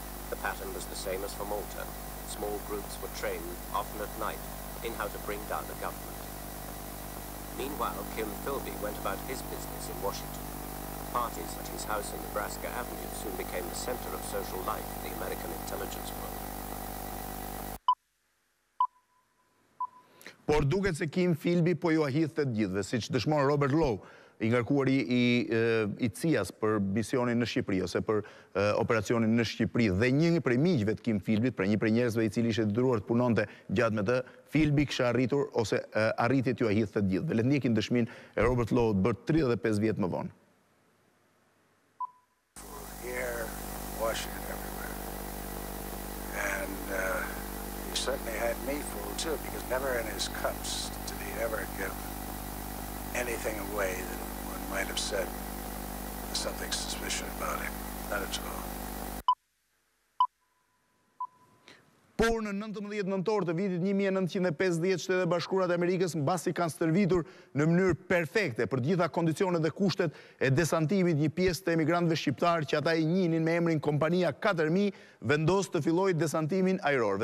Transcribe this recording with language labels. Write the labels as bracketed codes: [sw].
[en] The pattern was the same as for Malta. Small groups were trained, often at night, in how to bring down a government. Meanwhile, Kim Philby went about his business in Washington. Parties at his house in Nebraska Avenue soon became the center of social life in the American intelligence world. [sq] Por duket se Kim Philby po ju ahithet të gjithëve, siç dëshmon Robert Lowe, i ngarkuar i CIA-s për misionin në Shqipëri ose për operacionin në Shqipëri, dhe një prej miqve të Kim Philby-t, pra një prej njerëzve i cili ishte detyruar të punonte gjatë me të, Philby kishte arritur ose arriti t'ju ahithet të gjithëve. Le të ndjekim dëshminë e Robert Lowe bërë 35 vjet më vonë. [en] Here, Washington, everywhere. And he certainly had me fooled too, because never in his cups did he ever give anything away that one might have said something suspicious about him. not at all. [sq] Por në 19 nëntor të vitit 1950, Shtetet Bashkuara e Amerikës, mbasi kanë stërvitur në mënyrë perfekte për të gjitha kondicionet dhe kushtet e desantimit një pjesë të emigrantëve shqiptar që ata i njihnin me emrin Kompania 4000, vendos të filloi desantimin ajror.